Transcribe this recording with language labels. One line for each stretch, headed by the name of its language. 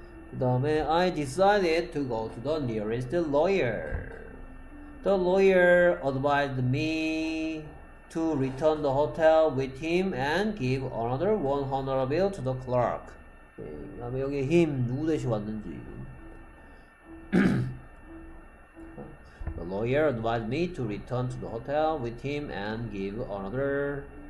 Korean: 그 다음에
English: I decided to go to the nearest lawyer. The lawyer advised me to return the hotel with him and give another $100 bill to the clerk.
Korean: 그 다음에 여기 him 누구 대신 왔는지.
English: The lawyer advised me to return to the hotel with him and give another.